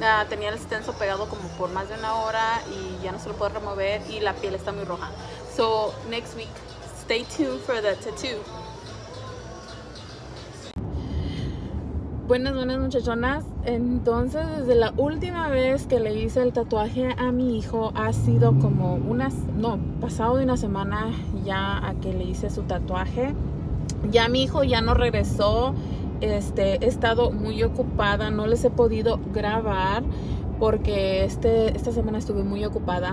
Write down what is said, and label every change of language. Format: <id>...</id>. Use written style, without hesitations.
<es>Tenía el extenso pegado como por más de una hora y ya no se lo puede remover y la piel está muy roja.</es> <en>So next week, stay tuned for the tattoo.</en> <es>Buenas, buenas muchachonas. Entonces, desde la última vez que le hice el tatuaje a mi hijo, ha sido como unas, no, pasado de una semana ya a que le hice su tatuaje. Ya mi hijo ya no regresó. He estado muy ocupada, no les he podido grabar porque esta semana estuve muy ocupada.</es>